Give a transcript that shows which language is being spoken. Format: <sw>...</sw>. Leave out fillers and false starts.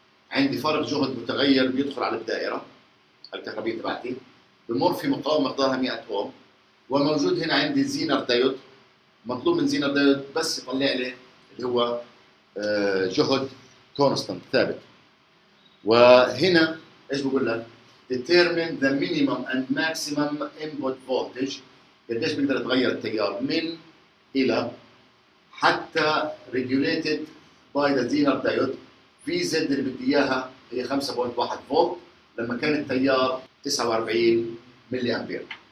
<ar>عندي فرق جهد متغير بيدخل على الدائرة الكهربية تبعتي، بمر في مقاومة مقدارها 100 اوم، وموجود هنا عندي زينر دايود، مطلوب من زينر دايود بس يطلع لي اللي هو جهد كونستانت ثابت. وهنا ايش بقول لك؟</ar> <en>determine the minimum and maximum input voltage،</en> <ar>قديش بقدر اتغير التيار من الى، حتى</ar> <en>regulated by the zener diode.</en> <ar>في زد اللي بدي اياها هي 5.1 فولت لما كان التيار 49 ملي امبير.</ar>